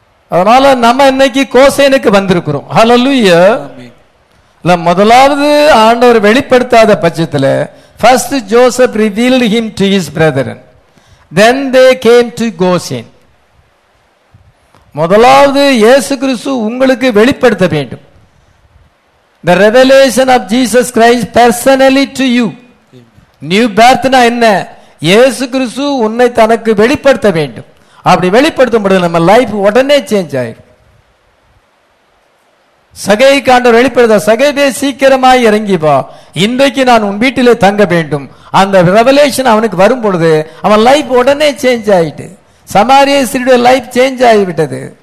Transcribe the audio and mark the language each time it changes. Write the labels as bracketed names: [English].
[Tamil] அதனால நம்ம இன்னைக்கு கோசேனுக்கு வந்திருக்கிறோம். ஹல்லேலூயா. முதலாவது ஆண்டவர் வெளிப்படுத்தாத பட்சத்துல [English] First Joseph revealed him to his brethren. Then they came to Goshen. [Tamil] முதலாவது இயேசு கிறிஸ்து உங்களுக்கு வெளிப்படுத்த வேண்டும். [English] The revelation of Jesus Christ personally to you. [Tamil] New birth னா என்ன? இயேசு கிறிஸ்து உன்னை தனக்கு வெளிப்படுத்த வேண்டும். அப்படி வெளிப்படுத்தும் பொழுது நம்ம லைஃப் உடனே சேஞ்ச் ஆயிடும். சகையை காண்ட வெளிப்படுத்த, சகைபே சீக்கிரமாய் இறங்கி வா, இன்றைக்கு நான் உன் வீட்டிலே தங்க வேண்டும். அந்த ரெவலேஷன் அவனுக்கு வரும் பொழுது அவன் லைஃப் உடனே சேஞ்ச் ஆயிட்டு, சமாரிய ஸ்திரீடைய லைஃப் சேஞ்ச் ஆகிவிட்டது.